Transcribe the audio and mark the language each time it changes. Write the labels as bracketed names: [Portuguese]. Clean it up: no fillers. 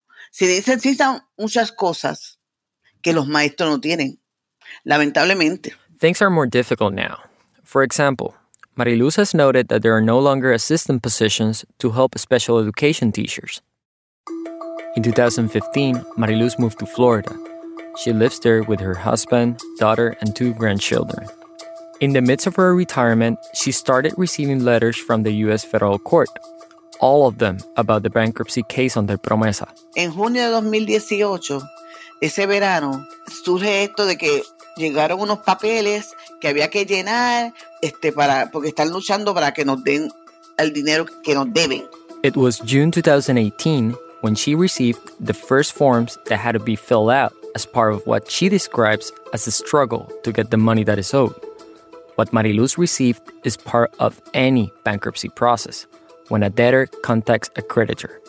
[Spanish] Se necesitan muchas cosas que los maestros no tienen, lamentablemente. [English] Things are more difficult now. For example, Mariluz has noted that there are no longer assistant positions to help special education teachers. In 2015, Mariluz moved to Florida. She lives there with her husband, daughter, and two grandchildren. In the midst of her retirement, she started receiving letters from the U.S. federal court, all of them about the bankruptcy case under Promesa. [Spanish] En junio de 2018, ese verano, surge esto de que llegaron unos papeles que había que llenar porque están luchando para que nos den el dinero que nos deben. [English] It was June 2018 when she received the first forms that had to be filled out as part of what she describes as a struggle to get the money that is owed. What Mariluz received is part of any bankruptcy process when a debtor contacts a creditor.